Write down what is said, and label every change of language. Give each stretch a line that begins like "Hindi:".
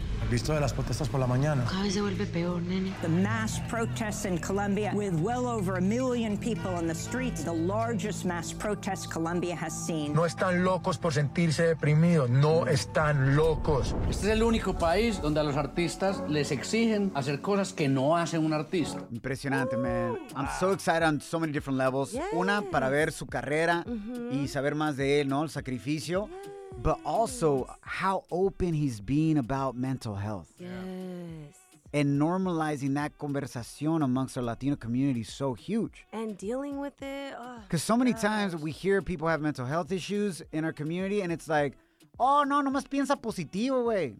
Spanish: Visto de las protestas por la mañana. Cada vez se vuelve peor, nene.
English: The mass protests in Colombia, with well over a million people on the streets, the largest mass protest Colombia has seen.
Spanish: No están locos por sentirse deprimidos. No están locos. Este es el único país donde a los artistas les exigen hacer cosas que no hacen un artista. Impresionante, man.
English: I'm so excited on so many different levels. Yes.
Spanish: Una, para ver su carrera y saber más de él, ¿no? El sacrificio.
English: Yes. But also, how open he's being about mental health. Yes. And normalizing that conversation amongst our Latino community is so huge. And dealing with it. Because so many times we hear people have mental health issues in our community, and it's like, oh, no,
Spanish: nomás piensa positivo, güey.